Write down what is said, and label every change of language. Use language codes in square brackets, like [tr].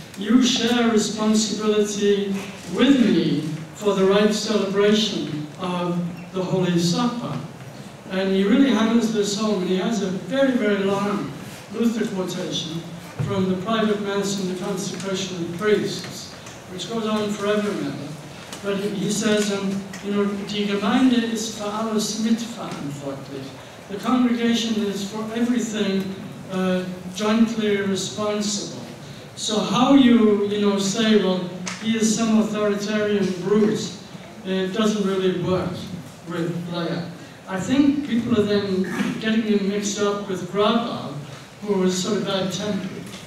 [en] You share responsibility with me for the right celebration of the Holy Supper. And he really hammers this home, and he has a very, very long Luther quotation from the private mass and the consecration of priests, which goes on forever, rather. But he says, [de] die Gemeinde ist für alles mitverantwortlich. [en] The congregation is for everything jointly responsible. So how you say, well, he is some authoritarian brute, it doesn't really work with Loehe. I think people are then getting him mixed up with Grabau, who was sort of bad-tempered.